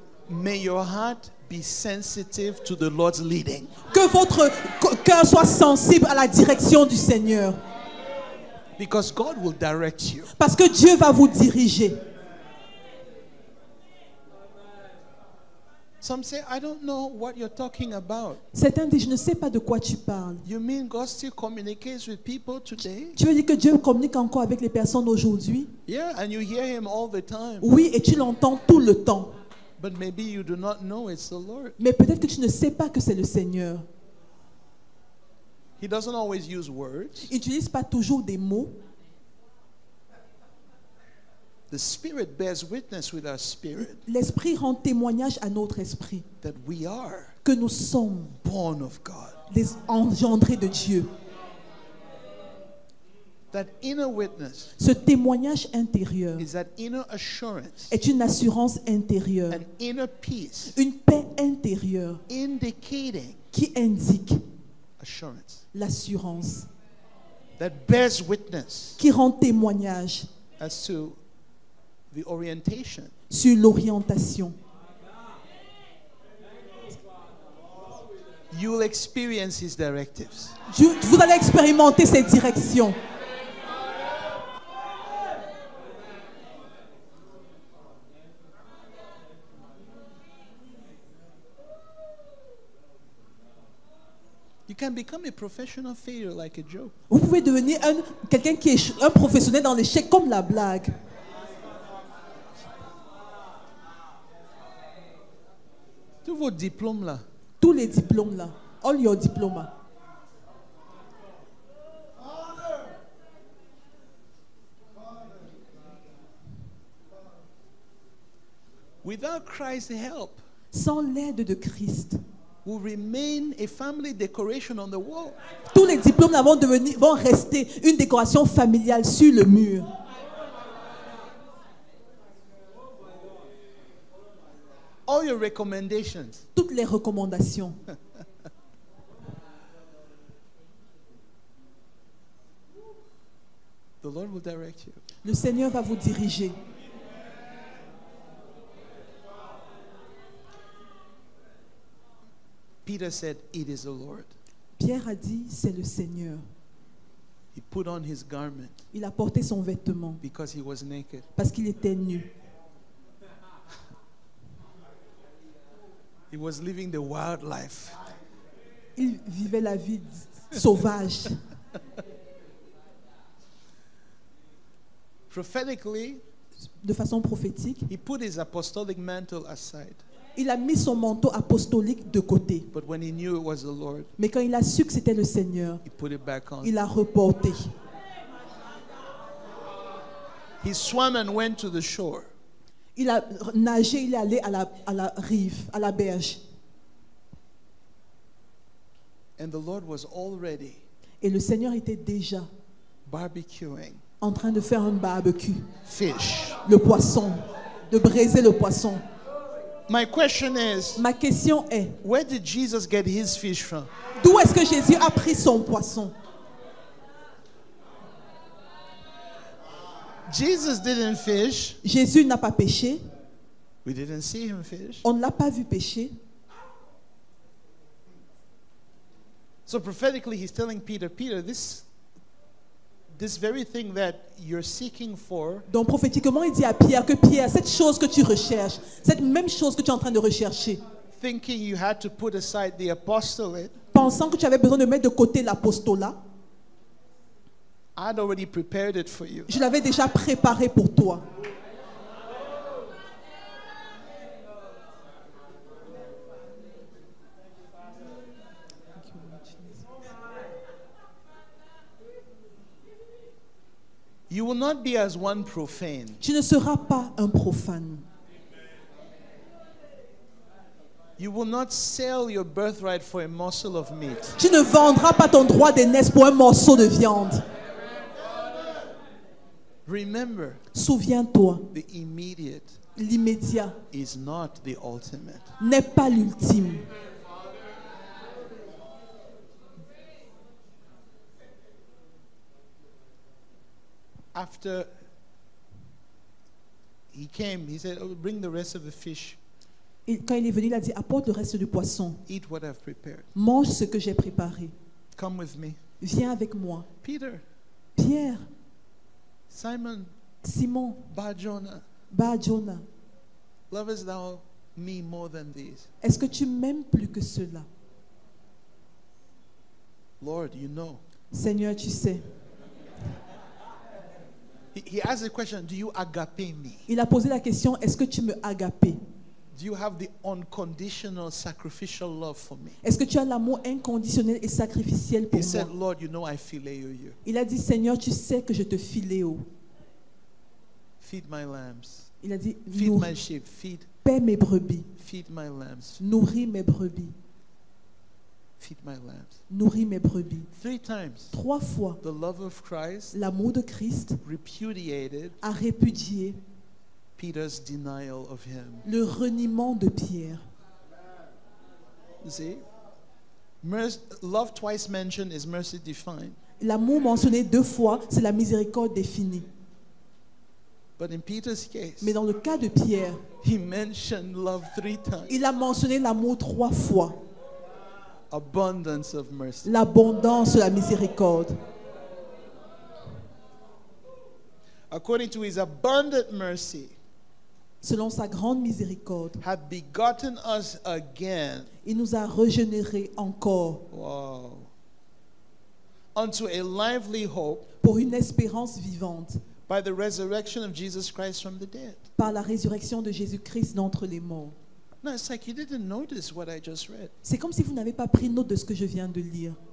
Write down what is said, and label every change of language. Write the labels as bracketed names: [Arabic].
[English] May your heart be sensitive to the Lord's leading. [French] Que votre cœur soit sensible à la direction du Seigneur. [English] Because God will direct you. [French] Parce que Dieu va vous diriger. [English] Some say, I don't know what you're talking about. [French] Certains disent, je ne sais pas de quoi tu parles. [English] You mean God still communicates with people today? [French] Tu veux dire que Dieu communique encore avec les personnes aujourd'hui? [English] Yeah, and you hear him all the time. [French] Oui, et tu l'entends tout le temps. [English] But maybe you do not know it's the Lord. [French] Mais peut-être que tu ne sais pas que c'est le Seigneur. [English] He doesn't always use words. [French] Il n'utilise pas toujours des mots. [English] The Spirit bears witness with our spirit. [French] L'esprit rend témoignage à notre esprit. [English] That we are. [French] Que nous sommes. [English] Born of God. [French] Les engendrés de Dieu. [English] That inner witness. [French] Ce témoignage intérieur. [English] Is that inner assurance. [French] Est une assurance intérieure. [English] An inner peace. [French] Une paix intérieure. [English] Indicating. [French] Qui indique. [English] Assurance. [French] L'assurance. [English] That bears witness. [French] Qui rend témoignage. [English] As to. The orientation. [French] Sur l'orientation. [English] You will experience his directives. [French] Vous allez expérimenter ses directions. [English] You can become a professional failure like a joke. [French] Vous pouvez devenir quelqu'un qui est un professionnel dans l'échec comme la blague. Tous vos diplômes là. Tous les diplômes là. [English] All your diploma. Without Christ's help. [French] Sans l'aide de Christ. [English] will remain a family decoration on the wall. [French] Tous les diplômes vont rester une décoration familiale sur le mur. [English] All your recommendations. [French] Toutes les recommandations. [English] The Lord will direct you. [French] Le Seigneur va vous diriger. [English] Peter said, "It is the Lord." [French] Pierre a dit, c'est le Seigneur. [English] He put on his garment. [French] Il a porté son vêtement. [English] Because he was naked. [French] Parce qu'il était nu. [English] He was living the wild life. [French] Il vivait la vie sauvage. [English] Prophetically, [French] de façon prophétique, [English] he put his apostolic mantle aside. [French] Il a mis son manteau apostolique de côté. [English] But when he knew it was the Lord, [French] mais quand il a su que c'était le Seigneur, [English] he put it back on. [French] Il l'a reporté. [English] He swam and went to the shore. [French] Il a nagé, il est allé à la rive, à la berge. [English] And the Lord was already, [French] et le Seigneur était déjà [English] barbecuing, [French] en train de faire un barbecue. [English] Fish. [French] Le poisson, de braiser le poisson. [English] My question is, [French] ma question est, [English] where did Jesus get his fish from? [French] D'où est-ce que Jésus a pris son poisson? [English] Jesus didn't fish. [French] Jésus n'a pas pêché. [English] We didn't see him fish. [French] On ne l'a pas vu pêcher. [English] So prophetically, he's telling Peter, Peter, this very thing that you're seeking for. [French] Donc prophétiquement, il dit à Pierre que Pierre, cette chose que tu recherches, cette même chose que tu es en train de rechercher. [English] Thinking you had to put aside the apostolate. [French] Pensant que tu avais besoin de mettre de côté l'apostolat. [English] I'd already prepared it for you. [French] Je l'avais déjà préparé pour toi. [English] You will not be as one profane. [French] Tu ne seras pas un profane. [English] You will not sell your birthright for a morsel of meat. [French] Tu ne vendras pas ton droit d'aînesse pour un morceau de viande. [English] Remember, [French] souviens-toi, [English] the immediate, [French] l'immédiat, [English] is not the ultimate, [French] n'est pas l'ultime. [English] After he came, he said, oh, bring the rest of the fish. [French] Et quand il est venu, il a dit, apporte le reste du poisson. [English] Eat what I've prepared. [French] Mange ce que j'ai préparé. [English] Come with me. [French] Viens avec moi. [English] Peter. [French] Pierre. [English] Simon, [French] Simon, [English] Bar-Jonah, lovest thou me more than these? [French] Est-ce que tu m'aimes plus que cela? [English] Lord, you know. [French] Seigneur, tu sais. [English] He asked the question, do you agape me? [French] Il a posé la question, est-ce que tu me agape? [English] Do you have the unconditional sacrificial love for me? [French] Est-ce que tu as l'amour inconditionnel et sacrificiel pour moi? [English] He said, Lord, you know I phileo you. [French] Il a dit, Seigneur, tu sais que je te phileo. [English] Feed my lambs. [French] Il a dit, [English] feed my sheep. Feed. [French] Paie mes brebis. [English] Feed my lambs. [French] Nourris mes brebis. [English] Feed my lambs. [French] Nourris mes brebis. [English] Three times. [French] Trois fois. [English] The love of Christ. [French] L'amour de Christ. [English] Repudiated. [French] A répudié. [English] Peter's denial of him. [French] Le reniement de Pierre. [English] See? Love twice mentioned is mercy defined. [French] L'amour mentionné deux fois, c'est la miséricorde définie. [English] But in Peter's case, [French] mais dans le cas de Pierre, [English] he mentioned love three times. [French] Il a mentionné l'amour trois fois. [English] Abundance of mercy. [French] L'abondance de la miséricorde. [English] According to his abundant mercy, [French] selon sa grande miséricorde, [English] had begotten us again, [French] il nous a régénérés encore, [English] wow, unto a lively hope, [French] pour une espérance vivante, [English] by the resurrection of Jesus Christ from the dead, [French] par la résurrection de Jésus-Christ d'entre les morts. [English] No, it's like you didn't notice what I just read. [French] C'est comme si vous n'avez pas pris note de ce que je viens de lire.